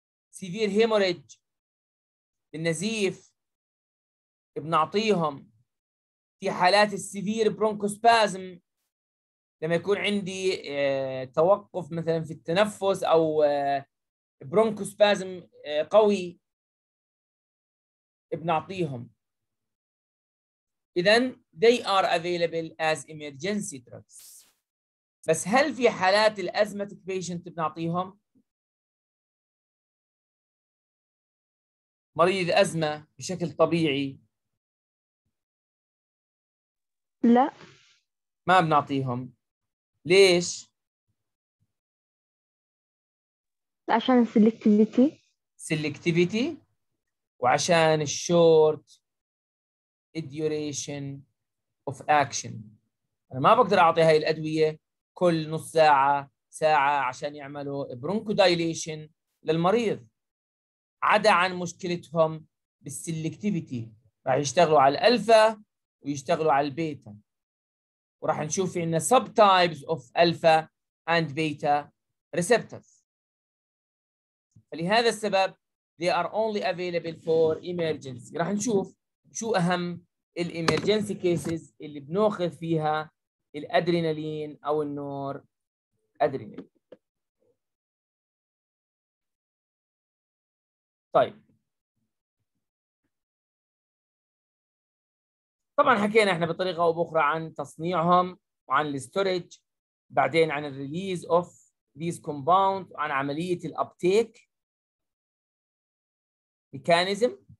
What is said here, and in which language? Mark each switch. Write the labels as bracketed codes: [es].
[ar] سيفير هيموريج النزيف بنعطيهم، في حالات السيفير برونكوسبازم لما يكون عندي توقف مثلا في التنفس او برونكوسبازم قوي بنعطيهم. إذن [en] they are available as emergency drugs. [ar] بس هل في حالات الأزمة patient بنعطيهم؟ مريض أزمة بشكل طبيعي؟ لا ما بنعطيهم. ليش؟ عشان selectivity. [en] Selectivity [ar] وعشان الشورت [en] duration of action. [ar] أنا ما بقدر أعطي هاي الأدوية كل نص ساعة ساعة عشان يعملوا bronchodilation للمريض، عدا عن مشكلتهم بالselectivity راح يشتغلوا على الألفا ويشتغلوا على البيتا، وراح نشوف في عنا [en] subtypes of alpha and beta receptors. [ar] فلهذا السبب [en] they are only available for emergency. [ar] راح نشوف شو أهم الإمرجنسي كيسز اللي بنأخذ فيها الأدرينالين أو النور أدرينالين. طيب طبعا حكينا إحنا بطريقة أو بأخرى عن تصنيعهم وعن الستوريج، بعدين عن الريليز أوف ذيس كومباوند وعن عملية الأبتيك ميكانيزم.